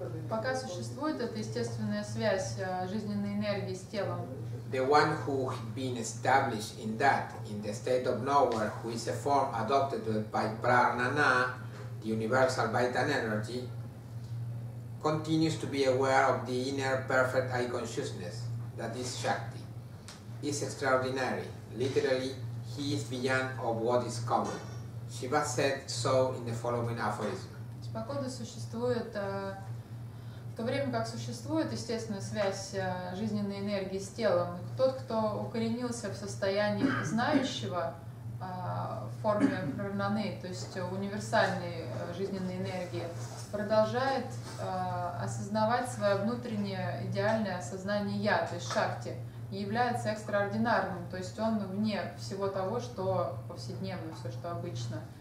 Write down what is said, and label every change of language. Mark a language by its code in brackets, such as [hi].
[ru] пока существует эта естественная связь жизненной энергии с телом. [en] The one who has been established in that, in the state of nowhere, who is a form adopted by pranana, the universal vital energy, continues to be aware of the inner perfect eye consciousness, that is shakti. It's extraordinary. Literally, he is beyond of what is common. Shiva said so in the following aphorism. [ru] В то время как существует естественная связь жизненной энергии с телом, тот, кто укоренился в состоянии знающего в форме прананы, то есть универсальной жизненной энергии, продолжает осознавать свое внутреннее идеальное сознание «я», то есть шакти, и является экстраординарным, то есть он вне всего того, что повседневно, все, что обычно.